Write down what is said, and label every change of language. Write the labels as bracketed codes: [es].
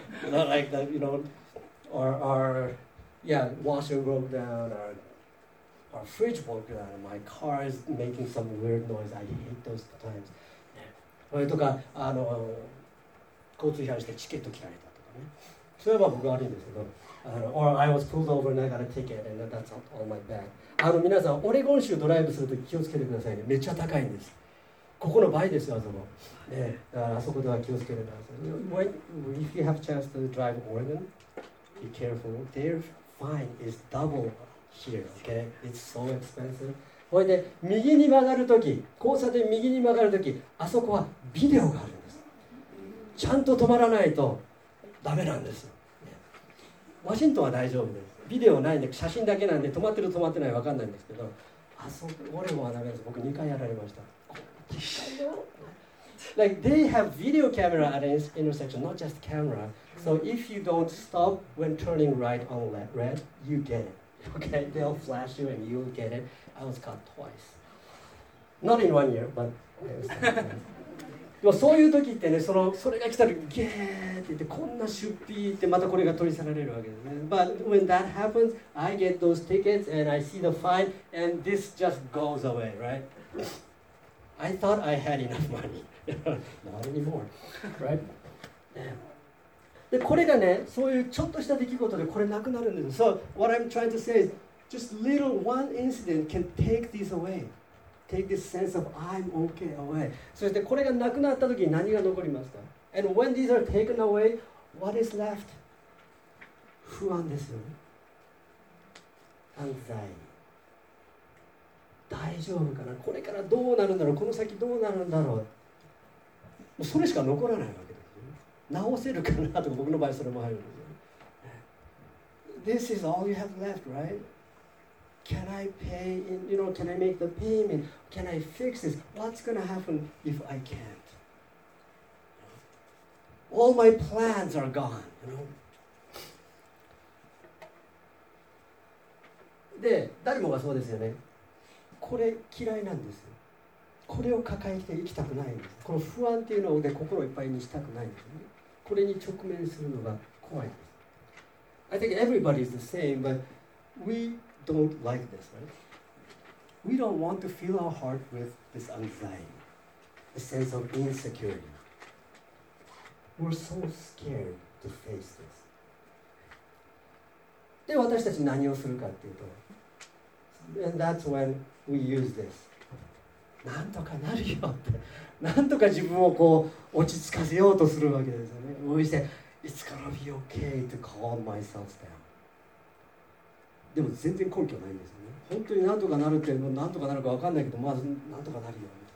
[en] Not like that, you know, our washer broke down, our fridge broke down, my car is making some weird noise. I hate those times. [ja] それとか、あの、交通違反してチケット切られたとかね。そういえば僕は悪いんですけど、あの、 [en] or I was pulled over and I got a ticket and that's all my bad. [ja] あの、皆さん、オレゴン州ドライブするとき気をつけてくださいね。めっちゃ高いんです。ここの倍ですよ、あそこ。ね、だからあそこでは気をつけてください。 If you have a chance to drive Oregon, be careful. Their fine is double here, okay? It's so expensive. これで右に曲がるとき、交差点右に曲がるとき、あそこはビデオがあるんです。ちゃんと止まらないとダメなんです。ワシントンは大丈夫です。ビデオないんで、写真だけなんで、止まってる止まってない分かんないんですけど、あそこ、俺もはダメです。僕2回やられました。 [en] Like, they have video camera at an intersection, not just camera. So if you don't stop when turning right on red, you get it. Okay, they'll flash you and you'll get it. I was caught twice. Not in one year, but it was that time. [ja] そういう時ってね、その、それが来たらゲーって言って、こんな出費ってまたこれが取り去られるわけですね。 [en] But when that happens, I get those tickets and I see the fine and this just goes away, right? I thought I had enough money. Not anymore, right? [ja] でこれがね、そういうちょっとした出来事でこれなくなるんです。 [en] So what I'm trying to say is, just little one incident can take this away, take this sense of I'm okay away. [ja] そしてこれがなくなった時に何が残りますか。 [en] And when these are taken away, what is left? [ja] 不安ですよ。 [en] Anxiety. [ja] 大丈夫かな。これからどうなるんだろう。この先どうなるんだろう。もうそれしか残らないわけ。直せるかなとか僕の場合それも入るんですよ。 [en] This is all you have left, right? Can I pay? You know, can I make the payment? Can I fix this? What's going to happen if I can't? All my plans are gone. You know. [ja] で、誰もがそうですよね。これ嫌いなんです。これを抱えて生きたくないんです。この不安っていうので心をいっぱいにしたくないんですね。これに直面するのが怖いです。 [en] I think everybody is the same, but we don't like this, right? We don't want to fill our heart with this anxiety, a sense of insecurity. We're so scared to face this. [ja] で、私たち何をするかっていうと、 [en] and that's when we use this. [ja] なんとかなるよって、なんとか自分をこう落ち着かせようとするわけですよね。 [en] We say, it's gonna be okay to calm myself down. [ja] でも全然根拠ないんですよね。本当になんとかなるって、なんとかなるか分かんないけど、まずなんとかなるよ。